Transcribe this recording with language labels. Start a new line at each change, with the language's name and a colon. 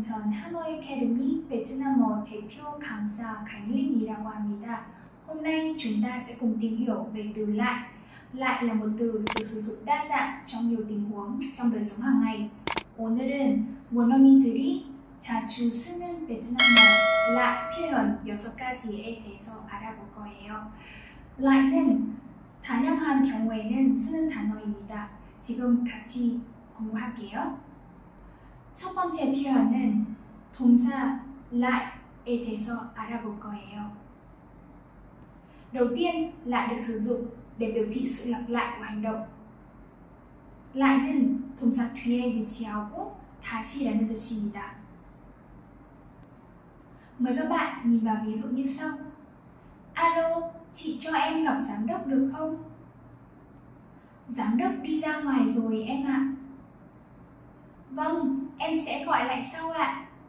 Korean: 전 Hanoi Academy 베트남어 대표 강사 강린이라고 합니다.
Vietnamese: Hôm nay chúng ta sẽ cùng tìm hiểu về từ lại. Lại là một từ được sử dụng đa dạng trong nhiều tình huống trong đời sống hàng ngày.
Korean: 오늘은 원어민들이 자주 쓰는 베트남어 lại 표현 6가지에 대해서 알아볼 거예요. Lại는 다양한 경우에는 쓰는 단어입니다. 지금 같이 공부할게요. 첫 번째 표현은 동사 lại에 대해서 알아볼 거예요.
Vietnamese: Đầu tiên, lại được sử dụng để biểu thị sự lặp lại của hành động.
Korean: Lại는 동사 뒤에 위치하고 다시라는 뜻입니다.
Vietnamese: Mời các bạn nhìn vào ví dụ như sau. Alo, chị cho em gặp giám đốc được không? Giám đốc đi ra ngoài rồi em ạ. Vâng, em sẽ gọi lại sau ạ.